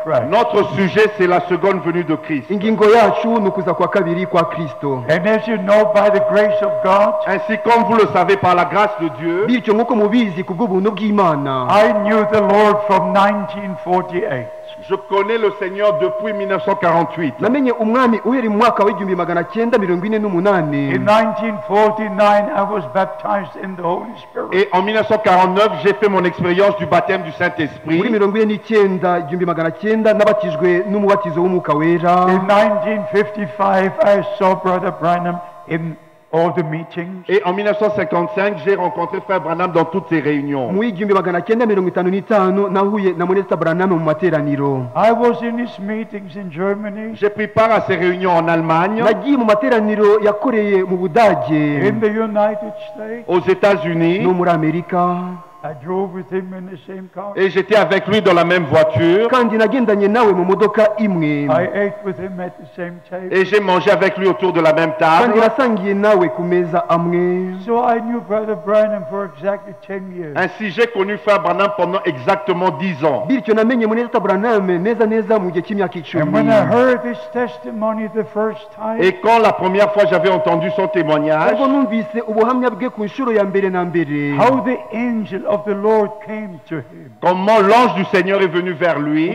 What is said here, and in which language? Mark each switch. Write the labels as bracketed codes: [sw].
[fr] Notre sujet c'est la seconde venue de Christ. [rw] Ingingo yacu n'ukuza kwa kabiri kwa Kristo. [en] And as you know by the grace of God. [fr] Ainsi comme vous le savez par la grâce de Dieu. [rw] Bityo nkuko mubizi kubw'ubuntu bw'Imana. [en] I knew the Lord from 1948. [fr] Je connais le Seigneur depuis 1948. [rw] Namenye umwami uheri mwaka wa 1948. [en] In 1949 I was baptized in the Holy Spirit. [fr] Et en 1949 j'ai fait mon expérience du baptême du Saint-Esprit. [rw] Muri 1949 nabatijwe n'umubatizo w'umwuka wera. [en] In 1955 I saw Brother Branham in all the meetings. [fr] Et en 1955 j'ai rencontré Frère Branham dans toutes ses réunions. [rw] Muri 1955 nahuye na Monsieur Branham mu materaniro. [en] I was in his meetings in Germany. [fr] J'ai pris part à ses réunions en Allemagne. [rw] Nagiye mu materaniro yakoreye mu Budage. [en] In the United States. [fr] Aux États-Unis. [rw] No muri America. [en] I drove with him in the same car. [fr] Et j'étais avec lui dans la même voiture. [rw] Kandi nagendanye nawe mu modoka imwe. [en] I ate with him at the same table. [fr] Et j'ai mangé avec lui autour de la même table. [rw] Kandi nasangiye nawe ku meza amwe. [en] So I knew Brother Branham for exactly 10 years. [fr] Ainsi j'ai connu Frère Branham pendant exactement 10 ans. [rw] Bityo namenye Frère Branham neza neza mu gihe cy'imyaka 10. [en] And when I heard his testimony the first time. [fr] Et quand la première fois j'avais entendu son témoignage. [rw] Ubwo numvise ubuhamya bwe ku nshuro ya mbere na mbere. [en] How the angel of the Lord came to him. [fr] Comment l'ange du Seigneur est venu vers lui.